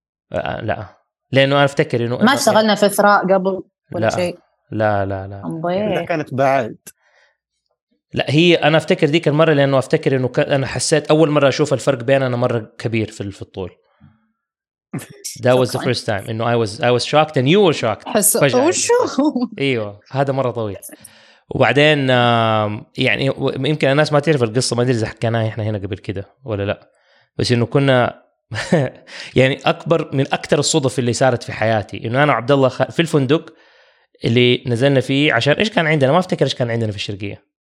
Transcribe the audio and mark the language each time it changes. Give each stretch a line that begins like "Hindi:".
Arabic: لا لانه انا افتكر انه ما اشتغلنا في اثراء قبل ولا شيء. لا لا لا ده كانت بعد. لا هي انا افتكر ذيك المره، لانه افتكر انه انا حسيت اول مره اشوف الفرق بيننا مره كبير في الطول.
English: That was the first time
Arabic: انه
English: I was shocked and you were shocked.
Arabic: وشو؟ ايوه هذا مره طويل. وبعدين يعني يمكن الناس ما تعرف القصه، ما ادري اذا حكيناها احنا هنا قبل كده ولا لا، بس انه كنا يعني اكبر من اكثر الصدف اللي صارت في حياتي، انه انا وعبد الله في الفندق اللي نزلنا فيه عشان ايش كان عندنا، ما افتكر ايش كان عندنا في الشرقيه.